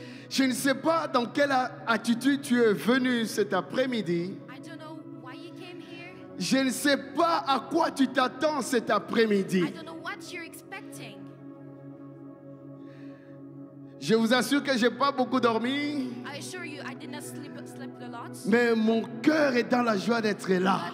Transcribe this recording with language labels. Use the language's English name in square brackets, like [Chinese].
[French] Je ne sais pas dans quelle attitude tu es venu cet après-midi. [English] I don't know why you came here. [French] Je ne sais pas à quoi tu t'attends cet après-midi. [English] I don't know what you're expecting. [French] Je vous assure que je n'ai pas beaucoup dormi. [English] I assure you, I did not sleep a lot. [French] Mais mon cœur est dans la joie d'être là.